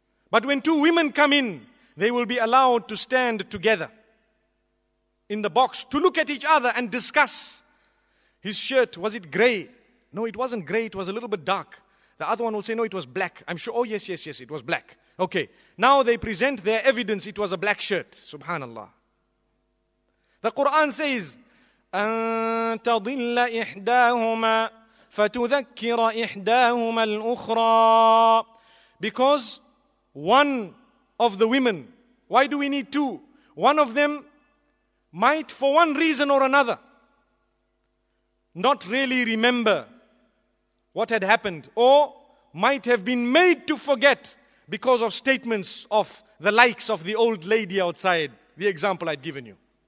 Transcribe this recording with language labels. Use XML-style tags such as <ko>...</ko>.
<en>But when two women come in, they will be allowed to stand together in the box to look at each other and discuss. His shirt, was it grey? No, it wasn't grey, it was a little bit dark. The other one will say, no, it was black. I'm sure, oh yes, it was black. Okay, now they present their evidence, it was a black shirt. Subhanallah. The Quran says,</en> <ar>أَنْتَضِلَّ إِحْدَاهُمَا فَتُذَكِّرَ إِحْدَاهُمَا الْأُخْرَى.</ar> <en>Because one of the women, why do we need two? One of them might, for one reason or another, not really remember what had happened, or might have been made to forget because of statements of the likes of the old lady outside, the example I'd given you.</en>